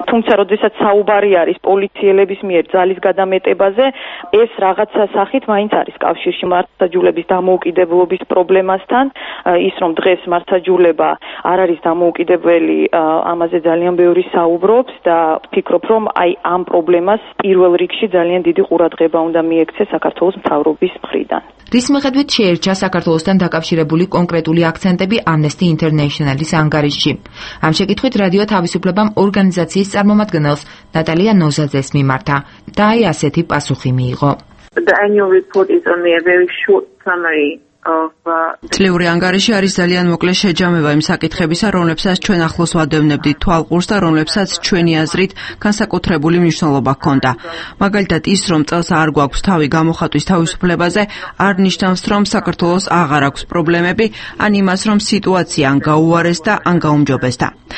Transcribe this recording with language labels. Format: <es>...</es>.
<ka>თუმცა როდესაც საუბარი არის პოლიციელების მიერ ძალის გადამეტებაზე, ეს რაღაცა სახით მაინც არის კავშირში მართსაჯულების დამოუკიდებლობის პრობლემასთან, ის რომ დღეს მართსაჯულება არ არის დამოუკიდებელი, ამაზე ძალიან ბევრი საუბრობს და ფიქრობ, რომ აი ამ პრობლემას პირველ რიგში ძალიან დიდი ყურადღება უნდა მიეკ საქართველოს მთავრობის მხრიდან. რის მიხედვით შეერჩა საქართველოსთან დაკავშირებული კონკრეტული აქცენტები Amnesty International-ის ანგარიშში? ამ შეკითხვით რადიო თავისუფლებამ ორგანიზაციის წარმომადგენელს ნატალია ნოზაძეს მიმართა და აი ასეთი პასუხი მიიღო.</ka> <en>The annual report is only a very short summary.</en> <ka>წლიური ანგარიში არის ძალიან მოკლე შეჯამება იმ საკითხებისა, რომლებსაც ჩვენ ახლოს ვადევნებდით თვალყურს და რომლებსაც ჩვენი აზრით განსაკუთრებული მნიშვნელობა ჰქონდა. მაგალითად, ის, რომ წელს არ გვაქვს თავი გამოხატვის თავისუფლებაზე, არ ნიშნავს, რომ საქართველოს აღარ აქვს პრობლემები, ან იმას, რომ სიტუაცია ან გაუარეს და ან გაუმჯობესდა.</ka>